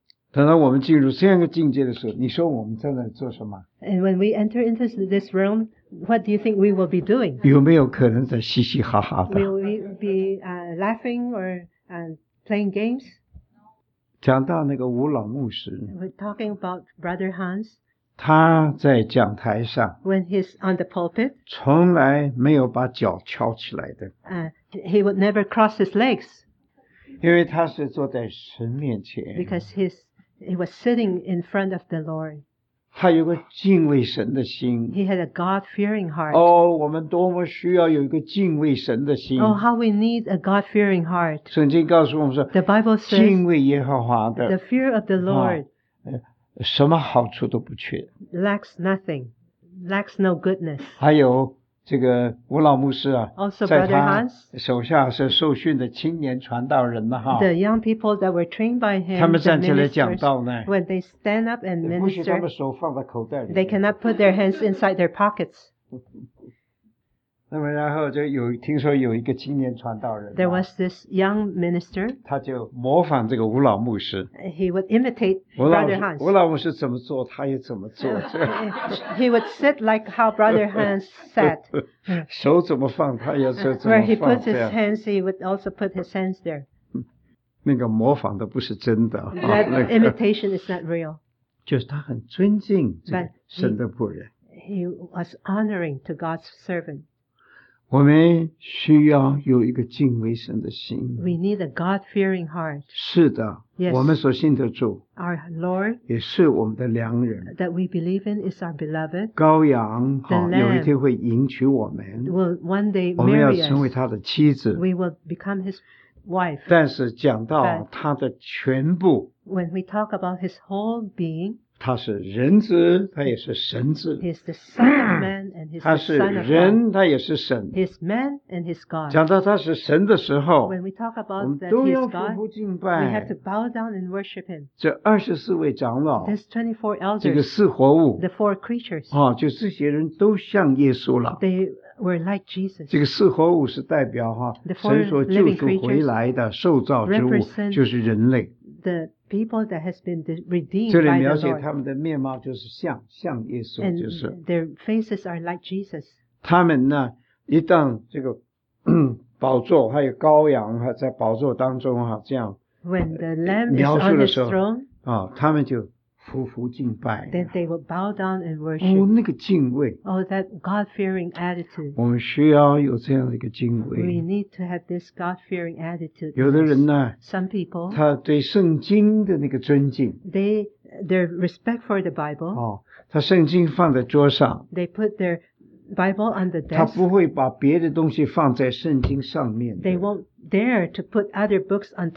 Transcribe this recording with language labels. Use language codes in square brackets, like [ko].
[zh] 等到我们进入这样一个境界的时候，你说我们在那做什么 [en] ？And when we enter into this realm, what do you think we will be doing? [zh] 有没有可能在嘻嘻哈哈的 [en] ？Will we be laughing or playing games? [zh] 讲到那个吴老牧师 [en] We're talking about Brother Hans. [zh] 他在讲台上 [en] When he's on the pulpit. [zh] 从来没有把脚翘起来的 [en] He would never cross his legs. [zh] 因为他是坐在神面前 [en] Because he was sitting in front of the Lord. [zh] 他有个敬畏神的心 [en] He had a God-fearing heart. [zh] 哦，我们多么需要有一个敬畏神的心 [en] Oh, how we need a God-fearing heart. [zh] 圣经告诉我们说 [en] The Bible says [zh] 敬畏耶和华的 [en] The fear of the Lord [zh] 什么好处都不缺 [en] Lacks nothing. Lacks no goodness. [zh] 还有这个吴老牧师啊 [en] Also Brother Hans [zh] 在他手下是受训的青年传道人呢哈 [en] The young people that were trained by him [zh] 他们站起来讲道呢 [en] When they stand up and minister [zh] 不许他们手放在口袋里 [en] They cannot put their hands inside their pockets [zh] 那么然后就有听说有一个青年传道人 [en] There was this young minister [zh] 他就模仿这个吴老牧师 [en] He would imitate Brother Hans [zh] 吴老牧师怎么做他也怎么做 [en] He would sit like how Brother Hans sat [zh] 手怎么放他也怎么放 [en] Where he puts his hands he would also put his hands there [zh] 那个模仿的不是真的 [en] That imitation is not real [zh] 就是他很尊敬这个神的仆人 [en] He was honoring to God's servant [zh] 我们需要有一个敬畏神的心。 [en] We need a God-fearing heart. [zh] 是的， [en] yes. [zh] 我们所信的主 [en] ，Our Lord， [zh] 也是我们的良人。 [en] That we believe in is our beloved. [zh] 羔羊哈，有一天会迎娶我们。 [en] Will one day marry us. [zh] 我们要成为他的妻子。 [en] We will become his wife. [zh] 但是讲到他的全部。 [en] When we talk about his whole being. [zh] 他是人子，他也是神子。 [en] He is the Son of Man. And he's [zh] 他是人，他也是神。 [en] He's man and he's God. [zh] 讲到他是神的时候， [en] When we talk about that he's God, [zh] 我们都要俯伏敬拜。 [en] We have to bow down and worship him. [zh] 这二十四位长老， [en] There's 24 elders, [zh] 这个四活物， [en] the four creatures. [zh] 哦，就这些人都像耶稣了。 [en] They were like Jesus. [zh] 这个四活物是代表哈， [en] the four living creatures, [zh] 神所救赎回来的受造之物，就是人类。 [en] The people that has been redeemed by the Lord. [zh] 这里描写他们的面貌就是像耶稣，就是。 [en] And their faces are like Jesus. [zh] 他们呢，一旦这个宝座还有羔羊哈，在宝座当中哈，这样。 [en] When the Lamb [zh] 描述的时候 [en] is on his throne, [zh] 他们就匍匐敬拜。 [en] Then they will bow down and worship. [zh] 哦，那个敬畏。 [en] Oh, that God-fearing attitude. [zh] 我们需要有这样的一个敬畏。 [en] We need to have this God-fearing attitude. [zh] 有的人呢 [en] ，Some people， [zh] 他对圣经的那个尊敬。 [en] Their respect for the Bible. [zh] 哦，他圣经放在桌上。 [en] They put their Bible on the desk. [zh] 他不会把别的东西放在圣经上面。 [en] They won't dare to put other books on top of the